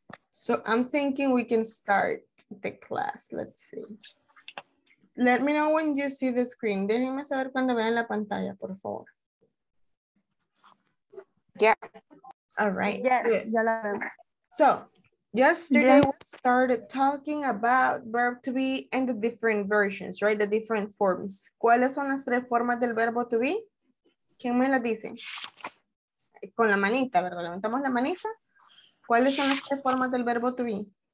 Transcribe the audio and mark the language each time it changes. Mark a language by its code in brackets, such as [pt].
[en] So I'm thinking we can start the class. Let's see. Let me know when you see the screen. [es] Déjenme saber cuando vean la pantalla, por favor. [en] Yeah. All right. Yeah. So yesterday we started talking about verb to be and the different versions, right? The different forms. [es] ¿Cuáles son las tres formas del verbo to be? ¿Quién me la dice? Con la manita, ¿verdad? Levantamos la manita. ¿Cuáles son las tres formas del verbo to be?